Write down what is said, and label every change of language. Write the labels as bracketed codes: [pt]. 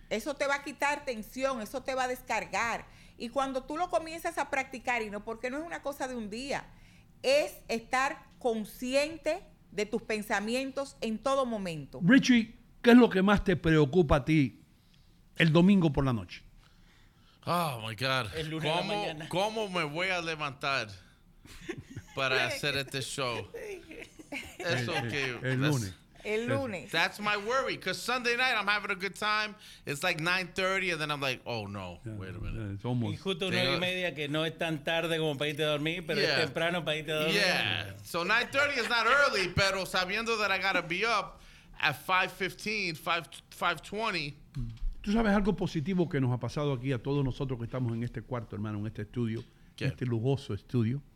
[es] Eso te va a quitar tensión, eso te va a descargar. Y cuando tú lo comienzas a practicar, y no, porque no es una cosa de un día, es estar consciente de tus pensamientos en todo momento. Richie, ¿qué es lo que más te preocupa a ti el domingo por la noche? [en] Oh, my God. [es] El lunes de la mañana. ¿Cómo me voy a levantar para hacer este show? Eso que, el lunes. El lunes. [en] That's my worry, because Sunday night I'm having a good time. It's like 9:30, and then I'm like, oh no, wait a minute. [es] Yeah, almost. Y justo 9:30, que no es tan tarde como para irte a dormir, pero es temprano para irte a dormir. [en] Yeah, so 9:30 is not early, [es] pero sabiendo [en] that I gotta be up at 5:15, 5:20. [es] ¿Tú sabes algo positivo que nos ha pasado aquí a todos nosotros que estamos en este cuarto, hermano, en este estudio, en este lujoso estudio?